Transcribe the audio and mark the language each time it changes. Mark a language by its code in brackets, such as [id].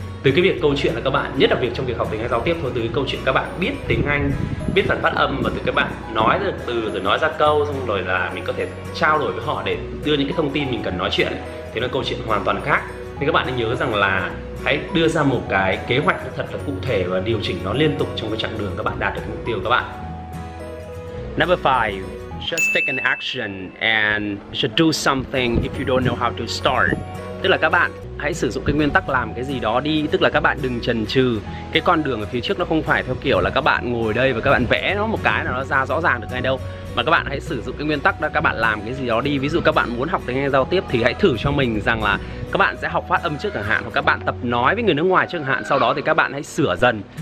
[vi] Từ cái việc câu chuyện là các bạn, nhất là việc trong việc học tiếng Anh giao tiếp thôi, từ cái câu chuyện các bạn biết tiếng Anh, biết phần phát âm, và từ các bạn nói được từ rồi nói ra câu, xong rồi là mình có thể trao đổi với họ để đưa những cái thông tin mình cần nói chuyện, thì nó câu chuyện hoàn toàn khác. Thì các bạn nên nhớ rằng là hãy đưa ra một cái kế hoạch thật là cụ thể và điều chỉnh nó liên tục trong cái chặng đường các bạn đạt được mục tiêu các bạn. [en] Number 5, just take an action and should do something if you don't know how to start. [vi] Tức là các bạn hãy sử dụng cái nguyên tắc làm cái gì đó đi, tức là các bạn đừng chần chừ. Cái con đường ở phía trước nó không phải theo kiểu là các bạn ngồi đây và các bạn vẽ nó một cái là nó ra rõ ràng được ngay đâu, mà các bạn hãy sử dụng cái nguyên tắc đó, các bạn làm cái gì đó đi. Ví dụ các bạn muốn học tiếng Anh giao tiếp thì hãy thử cho mình rằng là các bạn sẽ học phát âm trước chẳng hạn, hoặc các bạn tập nói với người nước ngoài trước chẳng hạn, sau đó thì các bạn hãy sửa dần.